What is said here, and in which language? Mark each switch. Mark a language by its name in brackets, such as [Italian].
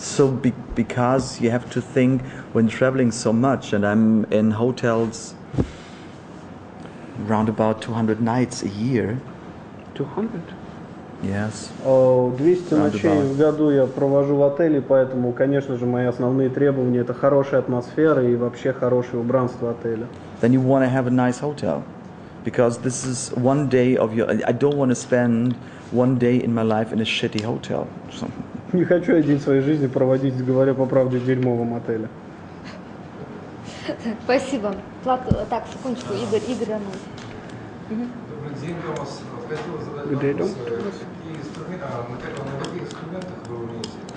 [English] Because you have to think when traveling so much, and I'm in hotels around about 200 nights a year. 200? Yes. [Russian] 200 ночей в году я провожу в отеле, поэтому, конечно же, мои основные требования – это хорошая атмосфера и вообще хорошее убранство отеля. [English] Then you want to have a nice hotel, because this is one day of your... I don't want to spend one day in my life in a shitty hotel. [Russian] Не хочу я день своей жизни проводить, говоря по правде, в дерьмовом отеле. Так, спасибо. Плату, так, секундочку, Игорь, Анна. Добрый день, Томас. Хотел задать вопрос, на каких инструментах вы умеете?